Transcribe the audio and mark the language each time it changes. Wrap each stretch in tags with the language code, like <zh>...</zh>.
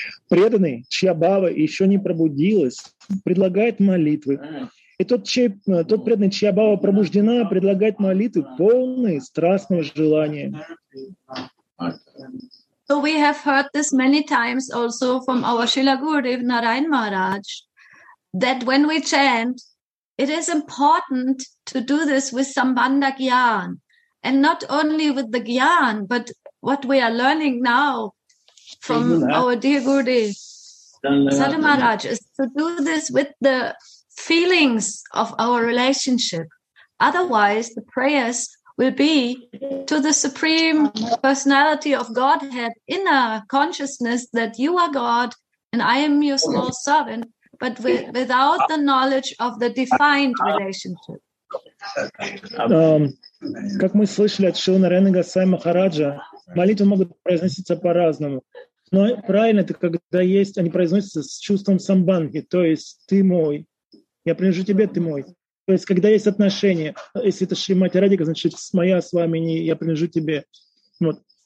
<ru>Преданный, чья бава еще не пробудилась, предлагает молитвы. И тот, тот преданный, чья бава пробуждена, предлагает молитвы, полные страстного желания.</ru> <en>So we have heard this many times also from our Srila Gurudev Narayan Maharaj, that when we chant, it is important to do this with Sambandha Gyan, and not only with the Gyan, but what we are learning now from our dear Gurudev Sadhu Maharaj is to do this with the feelings of our relationship. Otherwise, the prayers will be to the Supreme Personality of Godhead, inner consciousness that you are God and I am your small servant, but without the knowledge of the defined relationship.</en> <ru>Как мы слышали от Шрилы Нараяны Госвами Махараджа, молитвы могут произноситься по-разному. Но правильно это, когда есть, они произносятся с чувством самбанги, то есть ты мой, я принадлежу тебе, ты мой. То есть когда есть отношения, если это Шримати Радика, значит моя с вами, не я принадлежу тебе. Вот.</ru>